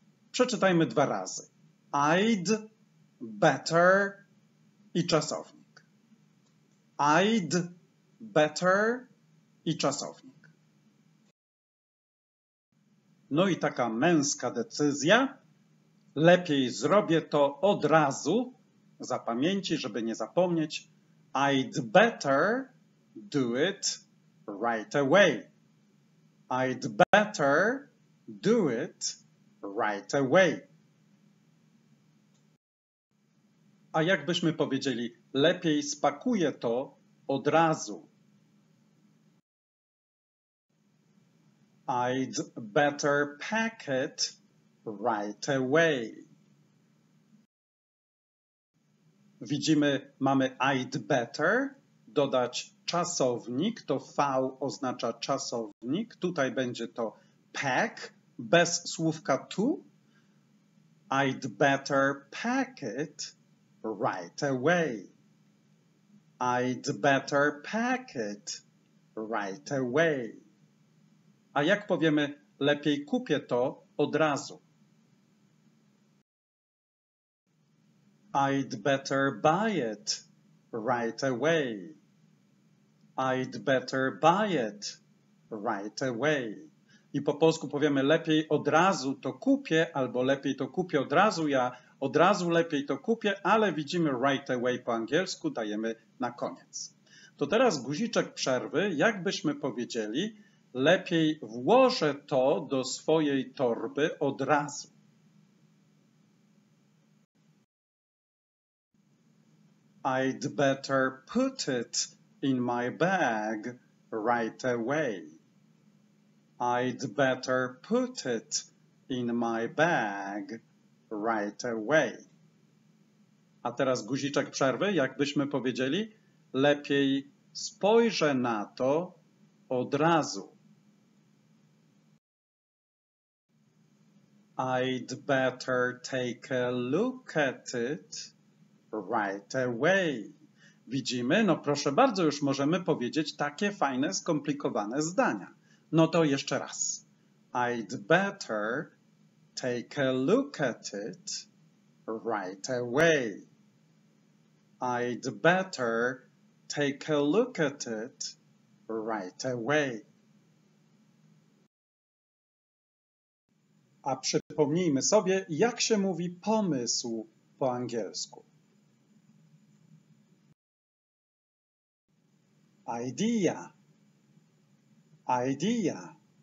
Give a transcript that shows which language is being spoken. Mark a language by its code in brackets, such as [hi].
[pl] Przeczytajmy dwa razy. [en] I'd better [pl] i czasownik. [en] I'd better [pl] i czasownik. No i taka męska decyzja. Lepiej zrobię to od razu, zapamięci, żeby nie zapomnieć. [en] I'd better do it right away. I'd better do it right away. [pl] A jakbyśmy powiedzieli, lepiej spakuję to od razu. [en] I'd better pack it right away. [pl] Widzimy, mamy [en] I'd better, [pl] dodać czasownik, to V oznacza czasownik. Tutaj będzie to pack, bez słówka to. [en] I'd better pack it right away. I'd better pack it right away. [pl] A jak powiemy, lepiej kupię to od razu? [en] I'd better buy it right away. I'd better buy it right away. [pl] I po polsku powiemy, lepiej od razu to kupię, albo lepiej to kupię od razu, ja od razu lepiej to kupię, ale widzimy [en] right away [pl] po angielsku, dajemy na koniec. To teraz guziczek przerwy, jakbyśmy powiedzieli, lepiej włożę to do swojej torby od razu. [en] I'd better put it in my bag right away. I'd better put it in my bag right away. [pl] A teraz guziczek przerwy, jakbyśmy powiedzieli, lepiej spojrzę na to od razu. [en] I'd better take a look at it right away. [pl] Widzimy, no proszę bardzo, już możemy powiedzieć takie fajne, skomplikowane zdania. No to jeszcze raz. [en] I'd better take a look at it right away. I'd better take a look at it right away. [pl] A przypomnijmy sobie, jak się mówi pomysł po angielsku. [en] Idea. Idea.